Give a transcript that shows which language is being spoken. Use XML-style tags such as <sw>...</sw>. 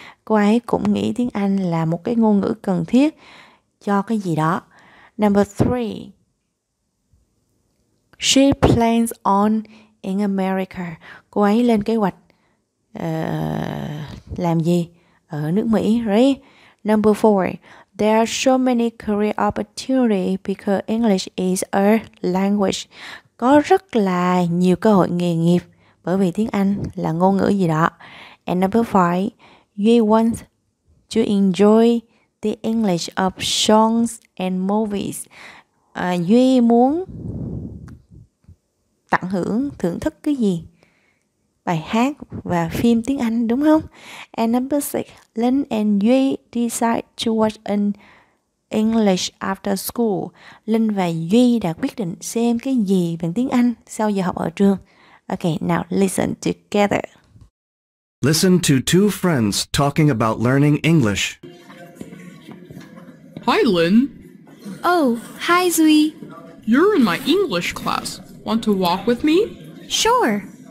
<vi>Cô ấy cũng nghĩ tiếng Anh là một cái ngôn ngữ cần thiết cho cái gì đó.</vi> <en>Number three, she plans on in America.</en> <vi>Cô ấy lên kế hoạch làm gì ở nước Mỹ, right?</vi> <en>Number four, there are so many career opportunities because English is a language.</en> <vi>Có rất là nhiều cơ hội nghề nghiệp bởi vì tiếng Anh là ngôn ngữ gì đó.</vi> <en>And number five, you want to enjoy the English of songs and movies.</en> <vi>Duy muốn tận hưởng, thưởng thức cái gì? Bài hát và phim tiếng Anh, đúng không?</vi> <en>And number six, Lynn and Duy decide to watch an English after school.</en> <vi>Lynn và Duy đã quyết định xem cái gì bằng tiếng Anh sau giờ học ở trường.</vi> <en>Okay, now listen together. Listen to two friends talking about learning English. Hi, Lynn. Oh, hi, Duy. You're in my English class. Want to walk with me? Sure.</en>